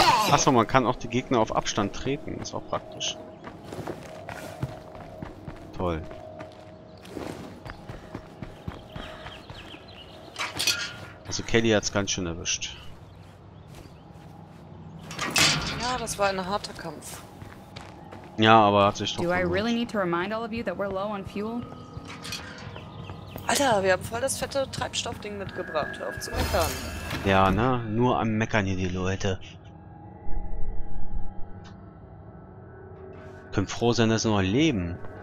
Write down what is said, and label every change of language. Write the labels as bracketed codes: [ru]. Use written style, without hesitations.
[de] Achso, man kann auch die Gegner auf Abstand treten, ist auch praktisch. Toll. Also Kelly hat es ganz schön erwischt. Ja, das war ein harter Kampf. Ja, aber hat sich doch. [en] Do I really need to remind all of you that we're low on fuel? [de] Alter, wir haben voll das fette Treibstoffding mitgebracht. Hör auf zu meckern. Ja, ne? Nur am Meckern hier die Leute. Können froh sein, dass sie noch leben.